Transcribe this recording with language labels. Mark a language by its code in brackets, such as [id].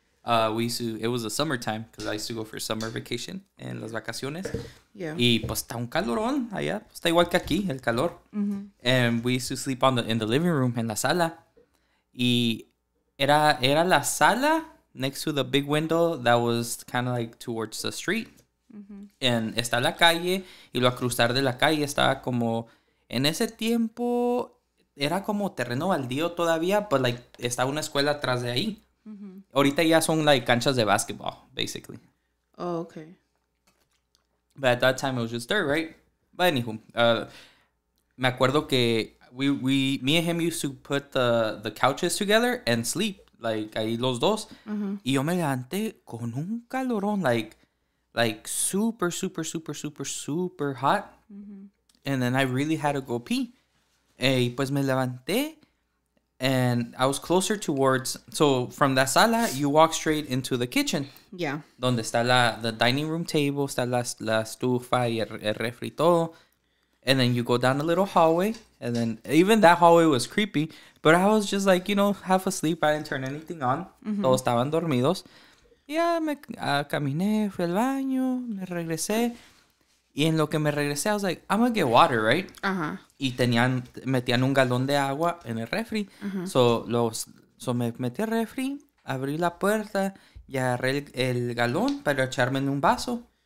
[en] It was the summertime because I used to go for summer vacation [es] en las vacaciones. [en] Yeah. [es] Y pues está un calorón allá. Está igual que aquí, el calor. Mm-hmm. [en] And we used to sleep in the living room, [es] en la sala. Y era la sala... [en] Next to the big window that was kind of like towards the street. Mm-hmm. And [es] está la calle. Y lo a cruzar de la calle estaba como... En ese tiempo era como terreno baldío todavía. [en] But like, [es] está una escuela atrás de ahí. Mm-hmm. Ahorita ya son [en] like [es] canchas de basketball, basically. [en] Oh, okay. But at that time it was just dirt, right? But anywho. [es] Me acuerdo que [en] me and him used to put the couches together and sleep. Like, [es] ahí los dos. Uh-huh. Y yo me levanté con un calorón, [en] like super, super, super, super, super hot. Uh-huh. And then I really had to go pee. [es] Y pues me levanté, [en] and I was closer towards... So, from that sala, you walk straight into the kitchen. Yeah. [es] Donde está [en] the dining room table, [es] está la estufa y el refri todo. [en] And then you go down a little hallway, and then even that hallway was creepy. But I was just like, you know, half asleep. I didn't turn anything on. Mm-hmm. [es] Todos estaban dormidos. [en] Yeah, [es] me caminé, fui al baño, me regresé. Y en lo que me regresé, [en] I was like, I'm gonna get water, right? Uh-huh. [es] Y metían un galón de agua en el refri. Uh-huh. [en] So [es] me metí al refri, abrí la puerta y agarré el galón para echarme en un vaso.